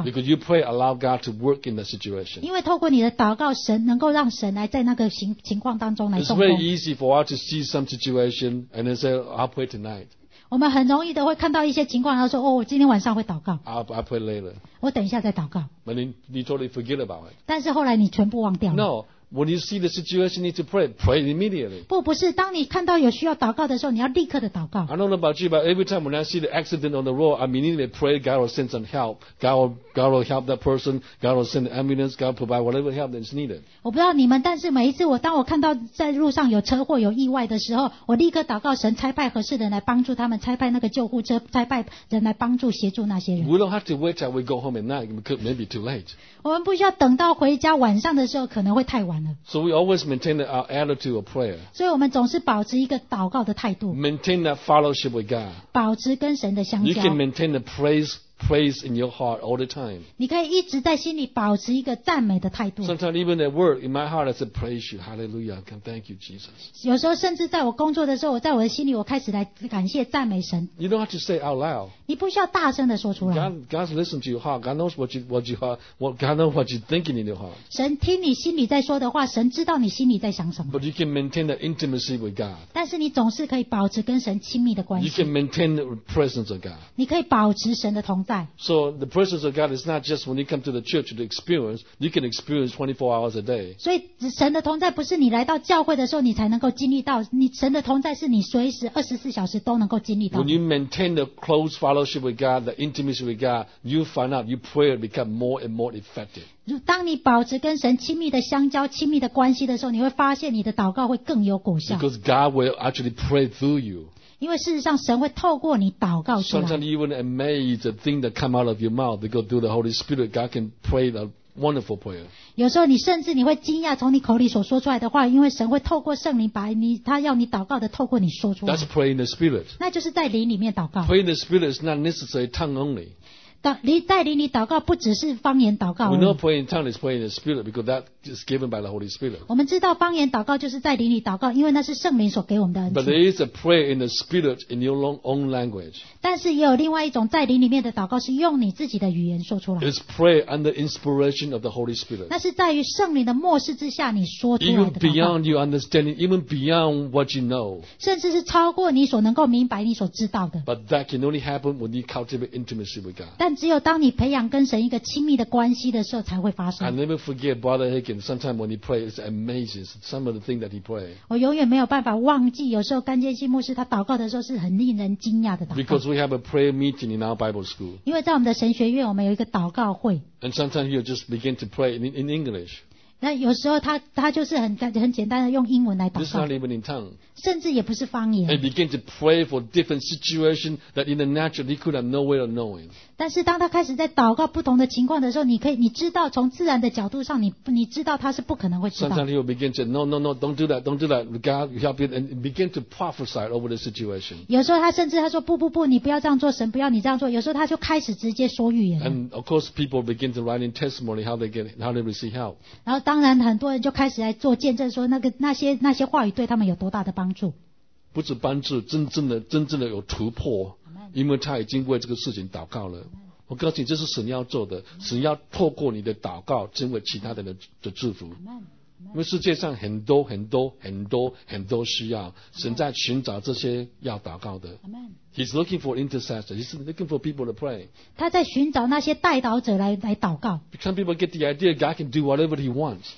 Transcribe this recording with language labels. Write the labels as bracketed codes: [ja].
[en] Because you pray, allow God to work in the situation. [zh] 因为透过你的祷告，神能够让神来在那个情况当中来动工。 [en] It's very easy for us to see some situation and then say, I'll pray tonight. [zh] 我们很容易的会看到一些情况，然后说，哦，我今天晚上会祷告。 [en] I'll pray later. [zh] 我等一下再祷告。 [en] But you totally forget about it. [zh] 但是后来你全部忘掉了。 [en] No. When you see the situation, you need to pray. Pray immediately. [zh] 不是，当你看到有需要祷告的时候，你要立刻的祷告。 [en] I don't know about you, but every time when I see the accident on the road, I immediately pray God will send some help. God will help that person. God will send the ambulance. God will provide whatever help that's needed. [zh] 我不知道你们，但是每一次当我看到在路上有车祸、有意外的时候，我立刻祷告神差派合适的人来帮助他们，差派那个救护车，差派人来帮助协助那些人。 [en] We don't have to wait till we go home at night. It may be too late. [zh] 我们不需要等到回家晚上的时候，可能会太晚。 [en] So we always maintain our attitude of prayer. [zh] 所以我们总是保持一个祷告的态度。 [en] Maintain that fellowship with God. [zh] 保持跟神的相交。 [en] You can maintain the praise in your heart all the time. [zh] 你可以一直在心里保持一个赞美的态度。 [en] Sometimes even at work, in my heart, I say praise you, Hallelujah, come thank you, Jesus. [zh] 有时候甚至在我工作的时候，我在我的心里，我开始来感谢赞美神。 [en] You don't have to say out loud. [zh] 你不需要大声的说出来。 [en] God listens to your heart. God knows what you thinking in your heart. [zh] 神听你心里在说的话，神知道你心里在想什么。 [en] But you can maintain the intimacy with God. [zh] 但是你总是可以保持跟神亲密的关系。 [en] You can maintain the presence of God. [zh] 你可以保持神的同。 [en] So the presence of God is not just when you come to the church to experience. You can experience 24 hours a day. [zh] 所以神的同在不是你来到教会的时候你才能够经历到。你神的同在是你随时24小时都能够经历到。 [en] When you maintain the close fellowship with God, the intimacy with God, you find out your prayer become more and more effective. [zh] 当你保持跟神亲密的相交、亲密的关系的时候，你会发现你的祷告会更有果效。 [en] Because God will actually pray through you. [zh] 因为事实上，神会透过你祷告出来。 [en] Sometimes even amazed the thing that come out of your mouth, because through the Holy Spirit, God can pray the wonderful prayer. [zh] 有时候你甚至你会惊讶从你口里所说出来的话，因为神会透过圣灵把你他要你祷告的透过你说出来。 [en] That's praying in the Spirit. [zh] 那就是在灵里面祷告。 [en] Praying in the Spirit is not necessarily tongue only. [zh] 带领你祷告不只是方言祷告。 [en] We know praying in tongues is praying in the Spirit because that is given by the Holy Spirit. [zh] 我们知道方言祷告就是带领你祷告，因为那是圣灵所给我们的恩赐。 [en] But there is a prayer in the Spirit in your own language. [zh] 但是也有另外一种在灵里面的祷告，是用你自己的语言说出来。 [en] It's prayer under inspiration of the Holy Spirit. [zh] 那是在于圣灵的默示之下你说出来的祷告。 [en] Even beyond your understanding, even beyond what you know. [zh] 甚至是超过你所能够明白、你所知道的。 [en] But that can only happen when you cultivate intimacy with God. [zh] 只有当你培养跟神一个亲密的关系的时候，才会发生。 [en] I never forget Brother Higgins. Sometimes when he prays, it's amazing. Some of the things that he prays. [zh] 我永远没有办法忘记，有时候甘坚信牧师他祷告的时候是很令人惊讶的祷告。 [en] Because we have a prayer meeting in our Bible school. [zh] 因为在我们的神学院，我们有一个祷告会。 [en] And sometimes he'll just begin to pray in English. [zh] 那有时候他就是很简单的用英文来祷告。 [en] This is not even in tongue. [zh] 甚至也不是方言。 [en] And begin to pray for different situations that in the natural he could have no way of knowing. [zh] 但是当他开始在祷告不同的情况的时候，你知道从自然的角度上，你知道他是不可能会知道。 [en] Sometimes he will begin to no, don't do that. God help you and begin to prophesy over the situation. [zh] 有时候他甚至他说不，你不要这样做，神不要你这样做。有时候他就开始直接说预言。 [en] And of course, people begin to write in testimony how they receive help. [zh] 然后当然很多人就开始来做见证，说那些话语对他们有多大的帮助。不止帮助，真正的有突破。因为他已经为这个事情祷告了，我告诉你，这是神要做的，神要透过你的祷告成为其他人的祝福。因为世界上很多很多很多很多需要，神在寻找这些要祷告的。 [en] He's looking for intercessors. He's looking for people to pray. [zh] 他在寻找那些代祷者来祷告。 [en] Some people get the idea God can do whatever He wants.